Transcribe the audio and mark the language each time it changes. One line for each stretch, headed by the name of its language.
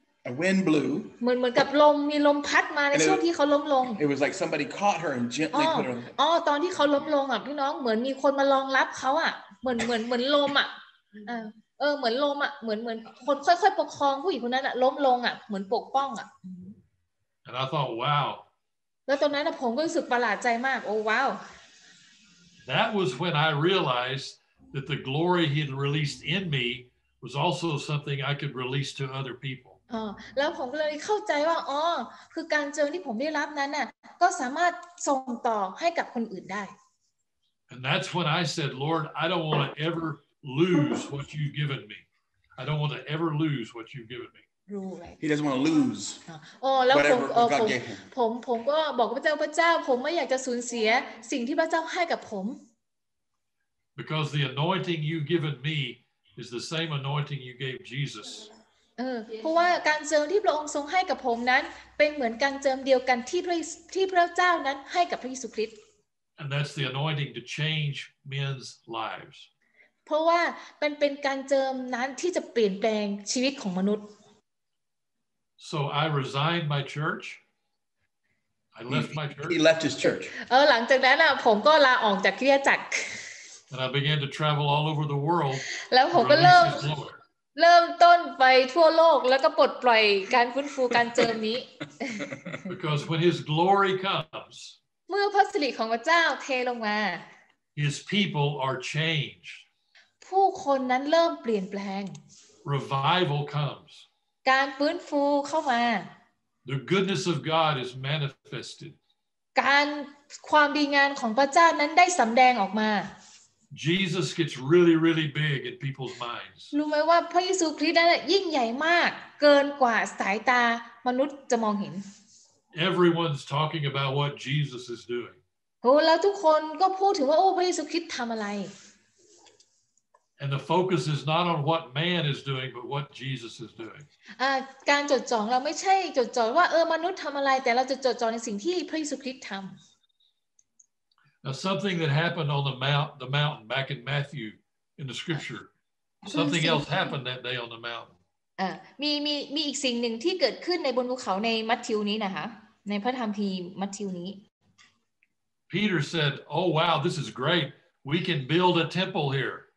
English: A wind blew.
Thai: เหมือนกับลมมีลมพัดมาในช่วงที่เขาล้มลง
English: It was like somebody caught her and gently put her.
Thai: อ๋อตอนที่เขาล้มลงอ่ะพี่น้องเหมือนมีคนมารองรับเขาอ่ะเหมือนลมอ่ะเหมือนลมอ่ะเหมือนคนค่อยๆปกครองผู้หญิงคนนั้นอ่ะล้มลงอ่ะเหมือนปกป้องอ่ะ
English: And I thought, wow.
Thai: แล้วตอนนั้นผมก็รู้สึกประหลาดใจมากโอ้ว้าว
English: That was when I realizedthat the glory he had released in me was also something I could release to other people.
Thai: แล้วผมก็เลยเข้าใจว่าอ๋อคือการเจิมที่ผมได้รับนั้นน่ะก็สามารถส่งต่อให้กับคนอื่นได้
English: And that's when I said, Lord, I don't want to ever lose what you've given me. I don't want to ever lose what you've given me. He doesn't want to lose.
Thai: แล้วผมก็บอกพระเจ้าผมไม่อยากจะสูญเสียสิ่งที่พระเจ้าให้กับผม
English: Because the anointing you've given me is the same anointing you gave Jesus.
Thai: เพราะว่าการเจิมที่พระองค์ทรงให้กับผมนั้นเป็นเหมือนการเจิมเดียวกันที่พระเจ้านั้นให้กับพระเยซูคริสต์
English: And that's the anointing to change men's lives.
Thai: เพราะว่ามันเป็นการเจิมนั้นที่จะเปลี่ยนแปลงชีวิตของมนุษย์
English: So I resigned my church. I left my church. He left his church.
Thai: หลังจากนั้นผมก็ลาออกจากคริสตจักร
English: And I began to travel all over the world.
Thai: แล้วผมก็เริ่มต้นไปทั่วโลกแล้วก็ปลดปล่อยการฟื้นฟูการเจิมนี้
English: Because when His glory comes,
Thai: เมื่อพระสิริของพระเจ้าเทลงมา
English: His people are changed.
Thai: ผู้คนนั้นเริ่มเปลี่ยนแปลง
English: Revival comes.
Thai: การฟื้นฟูเข้ามา
English: The goodness of God is manifested.
Thai: การความดีงามของพระเจ้านั้นได้สำแดงออกมา
English: Jesus gets really, really big in people's minds.
Thai: รู้ไหมว่าพระเยซูคริสต์นั้นยิ่งใหญ่มากเกินกว่าสายตามนุษย์จะมองเห็น
English: Everyone's talking about what Jesus is doing.
Thai: โอ้แล้วทุกคนก็พูดถึงว่าโอ้พระเยซูคริสต์ทำอะไร
English: And the focus is not on what man is doing, but what Jesus is doing.
Thai: การจดจ่อเราไม่ใช่จดจ่อว่ามนุษย์ทำอะไรแต่เราจะจดจ่อในสิ่งที่พระเยซูคริสต์ทำ
English: Now something that happened on the mountain back in Matthew in the scripture. Something else happened that day on the mountain.
Thai: มีอีกสิ่งหนึ่งที่เกิดขึ้นในบนภูเขาในมัทธิวนี้นะคะในพระธรรมพีมัทธิวนี้
English: Peter said oh wow this is great we can build a temple here